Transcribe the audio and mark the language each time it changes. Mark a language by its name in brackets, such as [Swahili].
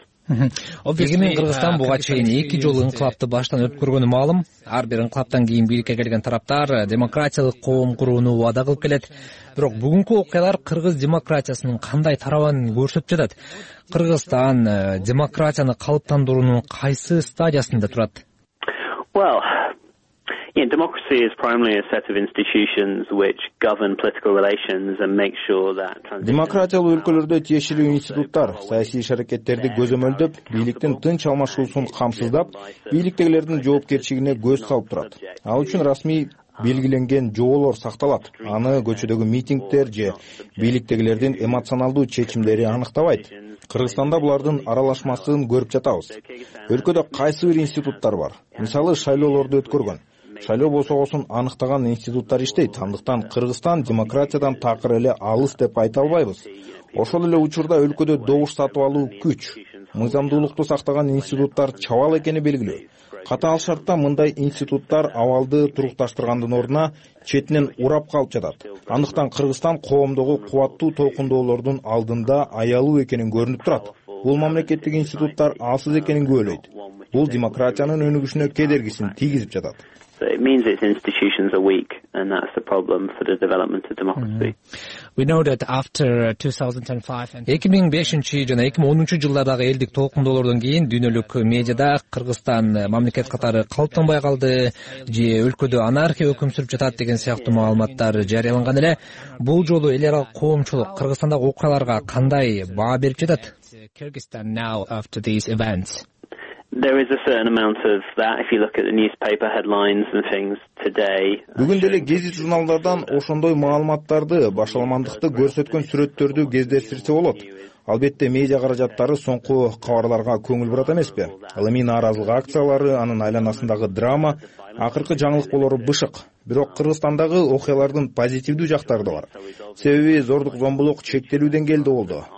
[Kyrgyz] Эгемен Кыргызстан буга чейин эки жолу инкылапты баштан өткөргөнү маалым. Ар бир инкылаптан кийин бийликке келген тараптар демократиялык коом курууну убада кылып келет. Бирок бүгүнкү окуялар кыргыз демократиясынын кандай тарабын көрсөтүп жатат? Кыргызстан демократияны калыптандыруунун кайсы стадиясында турат? [English] Well, yeah, democracy is primarily a set of institutions which govern political relations and make sure that [Kyrgyz] демократиялык өлкөлөрдө тиешелүү институттар саясий иш-аракеттерди көзөмөлдөп, бийликтин тынч алмашуусун камсыздап, бийликтегилердин жоопкерчилигине көз салып турат. Ал үчүн расмий белгиленген жоолор сакталат. Аны көчөдөгү митингдер же бийликтегилердин эмоционалдуу чечимдери аныктабайт. Кыргызстанда булардын аралашмасын көрүп жатабыз. Өлкөдө кайсы бир институттар бар? Мисалы, шайлоолорду өткөргөн шайлоо босогосун аныктаган институттар иштейт. Андыктан Кыргызстан демократиядан такыр эле алыс деп айта албайбыз. Ошол эле учурда өлкөдө добуш сатып алуу күч, мыйзамдуулукту сактаган институттар чабал экени белгилүү. Катаал шартта мындай институттар абалды турукташтыргандын ордуна четинен урап калып жатат. Андыктан Кыргызстан коомдогу кубаттуу толкундоолордун алдында аялуу экенин көрүнүп турат. Бул мамлекеттик институттар алсыз экенин күбөлөйт. Бул демократиянын өнүгүшүнө кедергисин тийгизип жатат. [English] So it means its institutions are weak, and that's the problem for the development of democracy. We know that after 2005 and 2011 There is a certain amount of that if you look at the newspaper headlines and things today. [Kyrgyz] Бүгүн деле гезит журналдардан ошондой маалыматтарды, башаламандыкты көрсөткөн сүрөттөрдү кездештирсе болот. Албетте, медиа каражаттары соңку кабарларга көңүл бурат эмеспи? Илимий нааразылык акциялары, анын айланасындагы драма, акыркы жаңылык болору бышык. Бирок Кыргызстандагы окуялардын позитивдүү жактары да бар. Себеби зордук-зомбулук чектелүү деңгээлде болду.